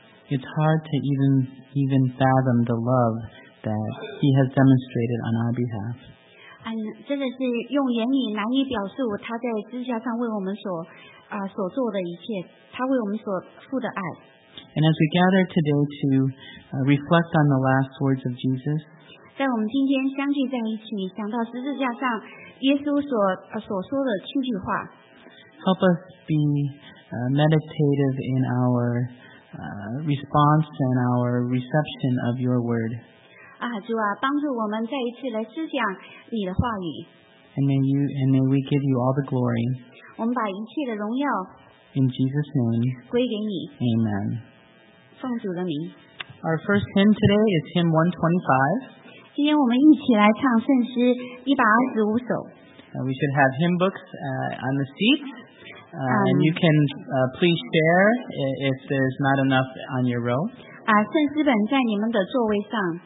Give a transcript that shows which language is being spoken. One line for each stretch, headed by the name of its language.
English: It's hard to even fathom the love that He has demonstrated on our behalf.
Chinese: 真的是用言语难以表述他在十字架上为我们所做的一切，他为我们所付的爱。
English: And as we gather today to reflect on the last words of Jesus,
Chinese: 在我们今天相聚在一起，想到十字架上耶稣所说的七句话。
English: Help us be meditative in our response and our reception of your word.
Chinese: 主啊，帮助我们再一次来思想你的话语。
English: And may we give you all the glory.
Chinese: 我们把一切的荣耀
English: in Jesus' name
Chinese: 归给你。
English: Amen.
Chinese: 奉主的名。
English: Our first hymn today is hymn 125.
Chinese: 今天我们一起来唱圣诗125首。
English: We should have hymn books on the seat. And you can please share if there's not enough on your row.
Chinese: 圣诗本在你们的座位上。